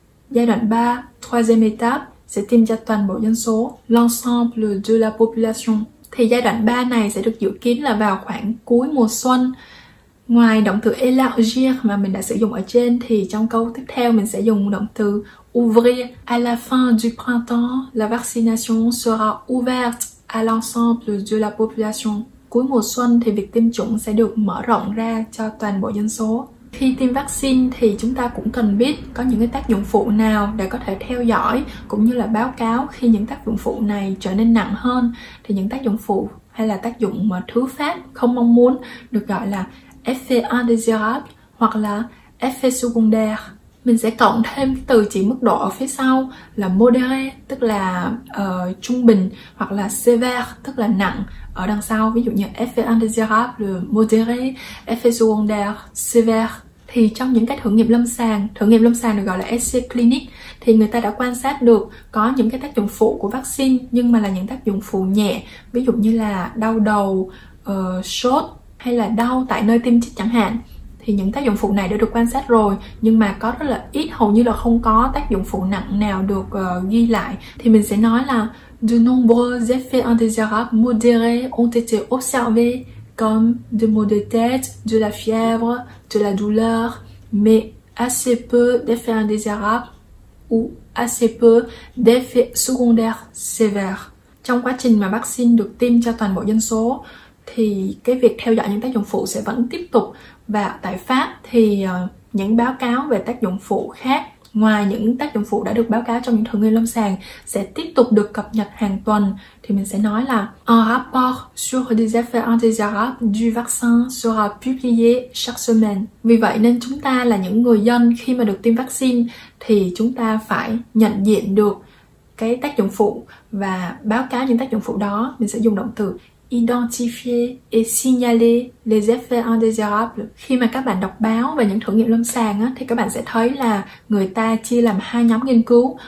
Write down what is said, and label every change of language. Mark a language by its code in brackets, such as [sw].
[vi] Giai đoạn 3, [fr] troisième étape, [vi] sẽ tiêm cho toàn bộ dân số, [fr] l'ensemble de la population. [vi] Thì giai đoạn 3 này sẽ được dự kiến là vào khoảng cuối mùa xuân. Ngoài động từ élargir mà mình đã sử dụng ở trên thì trong câu tiếp theo mình sẽ dùng động từ ouvrir. [fr] À la fin du printemps, la vaccination sera ouverte à l'ensemble de la population. [vi] Cuối mùa xuân thì việc tiêm chủng sẽ được mở rộng ra cho toàn bộ dân số. Khi tiêm vaccine thì chúng ta cũng cần biết có những cái tác dụng phụ nào để có thể theo dõi cũng như là báo cáo khi những tác dụng phụ này trở nên nặng hơn, thì những tác dụng phụ hay là tác dụng mà thứ phát không mong muốn được gọi là effet indésirable hoặc là effet secondaire. Mình sẽ cộng thêm từ chỉ mức độ ở phía sau là modéré tức là trung bình hoặc là sévère tức là nặng ở đằng sau, ví dụ như effet indésirable, modéré, effet secondaire, sévère. Thì trong những cái thử nghiệm lâm sàng được gọi là essai clinique, thì người ta đã quan sát được có những cái tác dụng phụ của vaccine nhưng mà là những tác dụng phụ nhẹ, ví dụ như là đau đầu, sốt hay là đau tại nơi tiêm chích chẳng hạn. Thì những tác dụng phụ này đã được quan sát rồi nhưng mà có rất là ít, hầu như là không có tác dụng phụ nặng nào được ghi lại. Thì mình sẽ nói là [fr] de nombreux effets indésirables modérés ont été observés comme des maux de tête, de la fièvre, de la douleur, mais assez peu d'effets indésirables ou assez peu d'effets secondaires sévères. [vi] Trong quá trình mà vaccine được tiêm cho toàn bộ dân số thì cái việc theo dõi những tác dụng phụ sẽ vẫn tiếp tục, và tại Pháp thì những báo cáo về tác dụng phụ khác ngoài những tác dụng phụ đã được báo cáo trong những thử nghiệm lâm sàng sẽ tiếp tục được cập nhật hàng tuần. Thì mình sẽ nói là [fr] un rapport sur les effets indésirables du vaccin sera publié chaque semaine. [vi] Vì vậy nên chúng ta là những người dân khi mà được tiêm vaccine thì chúng ta phải nhận diện được cái tác dụng phụ và báo cáo những tác dụng phụ đó. Mình sẽ dùng động từ [fr] identifier et signaler les effets indésirables. [vi] Khi mà các bạn đọc báo về những thử nghiệm lâm sàng á, thì các bạn sẽ thấy là người ta chia làm hai nhóm nghiên cứu.